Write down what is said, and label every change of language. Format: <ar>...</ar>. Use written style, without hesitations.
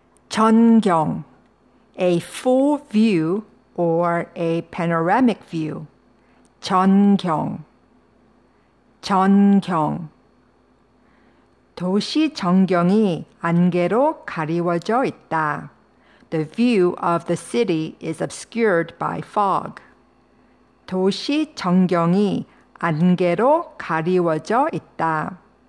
<en>전경, a full view or a panoramic view.</en> <ko>전경, 전경. 도시 전경이 안개로 가리워져 있다.</ko> <en>The view of the city is obscured by fog.</en> <ko>도시 전경이 안개로 가리워져 있다.</ko>